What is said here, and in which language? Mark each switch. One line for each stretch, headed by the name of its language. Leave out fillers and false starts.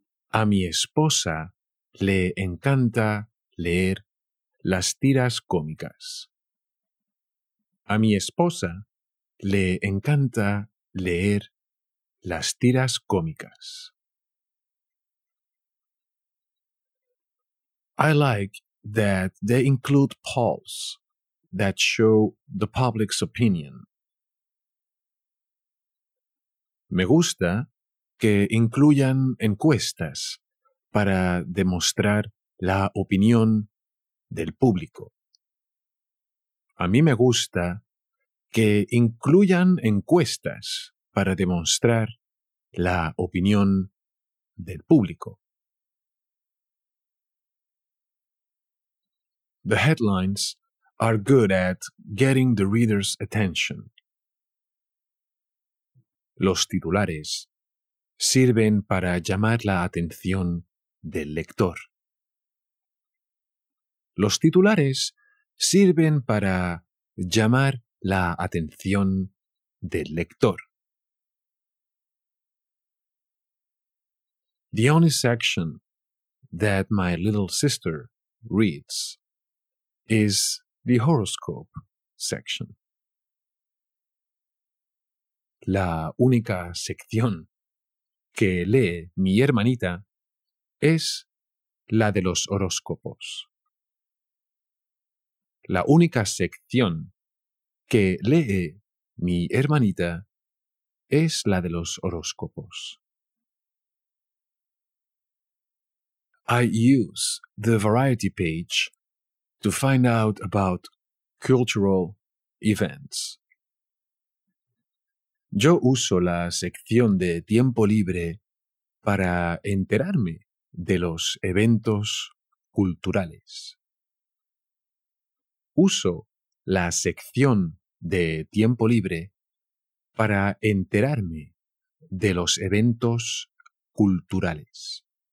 Spanish: A mi esposa le encanta leer las tiras cómicas. A mi esposa le encanta leer las tiras cómicas.
English: I like that they include polls that show the public's opinion.
Spanish: Me gusta que incluyan encuestas para demostrar la opinión del público. A mí me gusta que incluyan encuestas para demostrar la opinión del público.
English: The headlines are good at getting the reader's attention.
Spanish: Los titulares sirven para llamar la atención del lector. Los titulares sirven para llamar la atención del lector.
English: The only section that my little sister reads is the horoscope section.
Spanish: La única sección que lee mi hermanita es la de los horóscopos. La única sección que lee mi hermanita es la de los horóscopos.
English: I use the variety page to find out about cultural events.
Spanish: Yo uso la sección de tiempo libre para enterarme de los eventos culturales. Uso la sección de tiempo libre para enterarme de los eventos culturales.